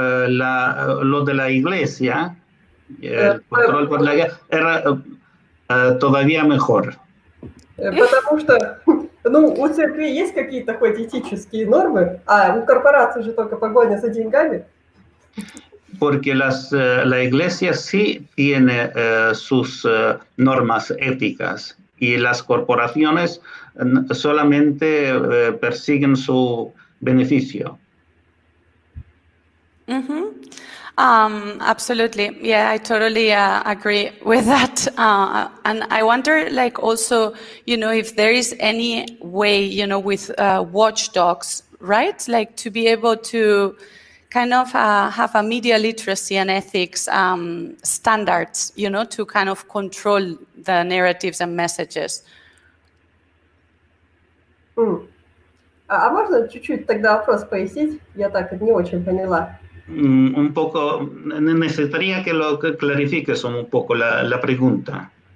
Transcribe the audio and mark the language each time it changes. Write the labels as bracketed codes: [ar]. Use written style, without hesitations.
[es] Lo de la iglesia, control por la iglesia, era todavía mejor. [ru] Потому что... у церкви есть какие-то хоть этические нормы, а у корпорации же только погоня за деньгами. [es] Porque la iglesia sí tiene sus normas éticas y las corporaciones solamente persiguen su beneficio. [en] Mm-hmm. Absolutely. Yeah, I totally agree with that. And I wonder, if there is any way, with watchdogs, right? Like to be able to kind of have a media literacy and ethics standards, to kind of control the narratives and messages. [ru] А можно чуть-чуть тогда вопрос пояснить? Я так не очень поняла. [es] Un poco, necesitaría que lo clarifiques un poco la pregunta.